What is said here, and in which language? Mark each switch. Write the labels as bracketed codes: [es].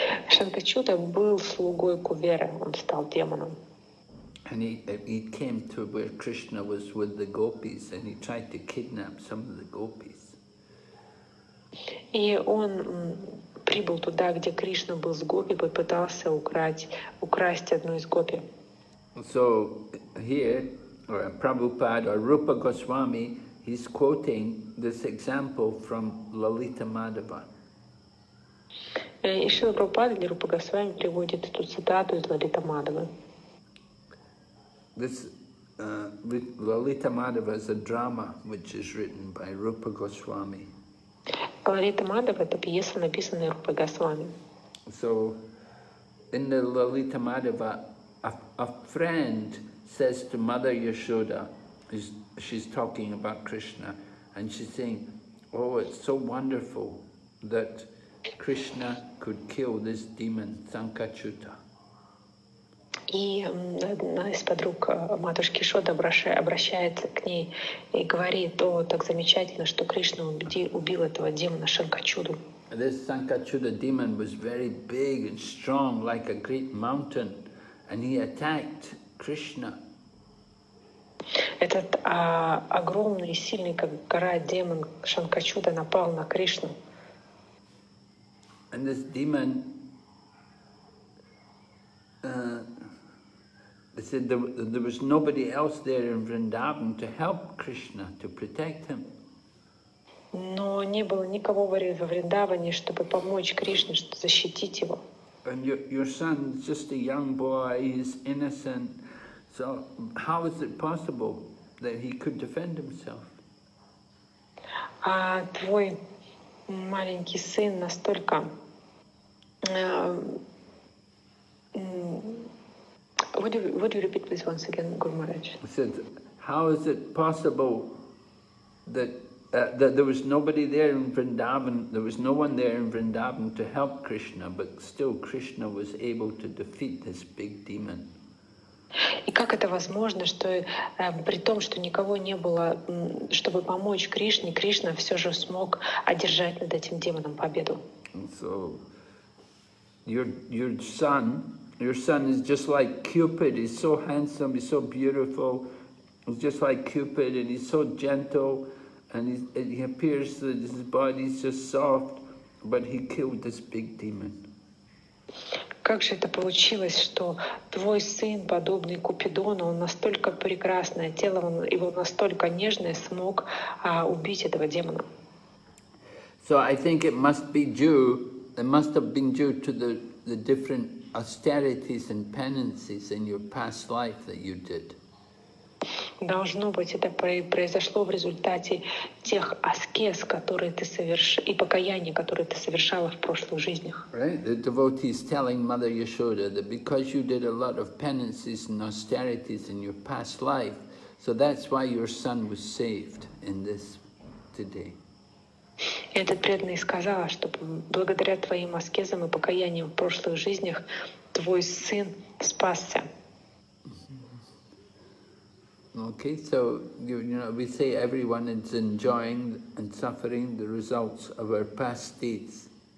[ru] Шанкачуда был слугой Кувера, он стал демоном. [en] And he came to where Krishna was with the gopis, and he tried to kidnap some of the gopis. [ru] И он прибыл туда, где Кришна был с гопи, попытался украсть одну из гопи. [en] So here, or Prabhupada, or Rupa Goswami, he's quoting this example from Lalita Madhava. [ru] Ишила Прабхупада или Рупа Госвами приводит эту цитату из Лалита Мадхавы. [en] This Lalita Madhava is a drama which is written by Rupa Goswami. [ru] Лалита Мадхава — это пьеса, написанная Рупа Госвами. [en] So, in the Lalita Madhava, a friend says to Mother Yashoda, she's talking about Krishna, and she's saying, oh, it's so wonderful that Krishna could kill this demon, Shankachuta. [ru] И одна из подруг матушки Шода обращается к ней и говорит, о, так замечательно, что Кришна убил этого демона Шанкачуду. [en] This Shankachuda demon was very big and strong, like a great mountain, and he attacked Krishna. [ru] Этот огромный и сильный, как гора, демон Шанкачуда напал на Кришну. [en] And this demon, they said there was nobody else there in Vrindavan to help Krishna, to protect him. [ru] Но не было никого в Вриндаване, чтобы помочь Кришне, чтобы защитить его. [en] And your son is just a young boy, he's innocent. So how is it possible that he could defend himself? [ru] Твой маленький сын настолько [en] would you repeat please once again, Guru Maharaj? He said, how is it possible that there was nobody there in Vrindavan, there was no one there in Vrindavan to help Krishna, but still Krishna was able to defeat this big demon? [ru] И как это возможно, что при том, что никого не было, чтобы помочь Кришне, Кришна все же смог одержать над этим демоном победу? [en] So, Your son is just like Cupid. He's so handsome, he's so beautiful. He's just like Cupid, and he's so gentle, and he appears that his body is just soft, but he killed this big demon. [ru] Как же это получилось, что твой сын, подобный Купидону, он настолько прекрасное тело, он его настолько нежное, смог убить этого демона? [en] So I think it must have been due to the different austerities and penances in your past life that you did. [ru] Должно быть, это произошло в результате тех аскез, которые ты совершил, и покаяния, которые ты совершала в прошлых жизнях. [en] Right? The devotee is telling Mother Yashoda that because you did a lot of penances and austerities in your past life, so that's why your son was saved in this today. [ru] Этот преданный сказал, что благодаря твоим аскезам и покаяниям в прошлых жизнях твой сын спасся. [en] Okay, so you know, we say everyone is enjoying and suffering the results of our past deeds.